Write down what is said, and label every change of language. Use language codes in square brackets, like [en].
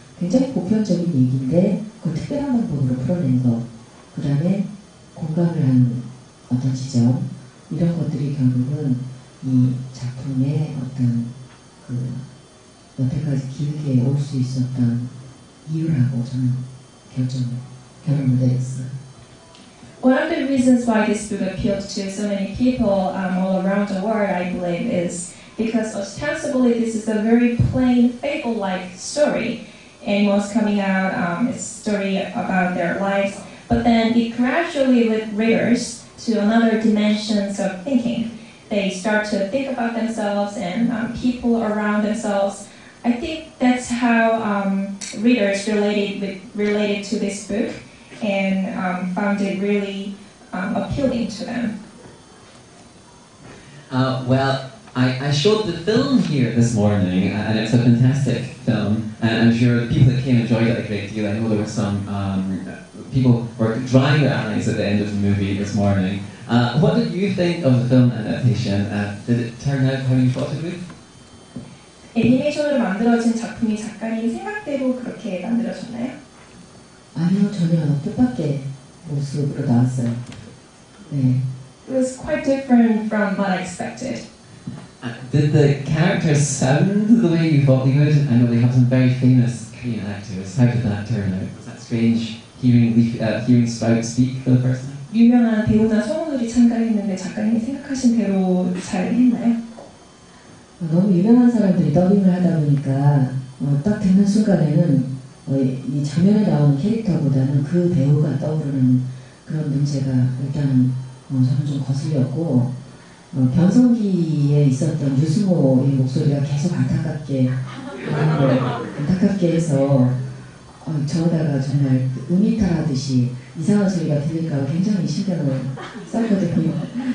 [ko] 굉장히 보편적인 얘기인데 그걸 특별한 방법으로 풀어낸 것, 그 다음에 공감을 하는 어떤 지점, 이런 것들이 결국은 이 작품의 어떤 그 여태까지 길게 올 수 있었던 이유라고 저는 결론을 내렸어요. [en] One of the reasons why this book appealed to so many people all around the world, I believe, is because ostensibly this is a very plain fable-like story. Animals coming out, it's a story about their lives, but then it gradually led readers to another dimensions of thinking. They start to think about themselves and people around themselves. I think that's how readers related to this book and found it really appealing to them. Well, I showed the film here this morning, and it's a fantastic film. And I'm sure the people that came enjoyed it a great deal. I know there were some people were drying their eyes at the end of the movie this morning. What did you think of the film adaptation? Did it turn out how you thought it would? [ko] 애니메이션으로 만들어진 작품이 작가님 생각대로 그렇게 만들어졌나요? 아니요, 전혀 뜻밖의 모습으로 나왔어요. 네. [en] It was quite different from what I expected. Did the characters sound the way you thought they would? I know they have some very famous Korean actors. How did that turn out? Was that strange hearing Sprout speak for the first time? [ko] 유명한 배우나 성우들이 참가했는데 작가님이 생각하신 대로 잘 했나요? 너무 유명한 사람들이 더빙을 하다 보니까 딱 듣는 순간에는 이 장면에 나온 캐릭터보다는 그 배우가 떠오르는 그런 문제가 일단 저는 좀 거슬렸고 변성기에 있었던 유승호의 목소리가 계속 안타깝게 해서 저러다가 정말 음이탈하듯이 이상한 소리가 들릴까 굉장히 신경을 썼거든요.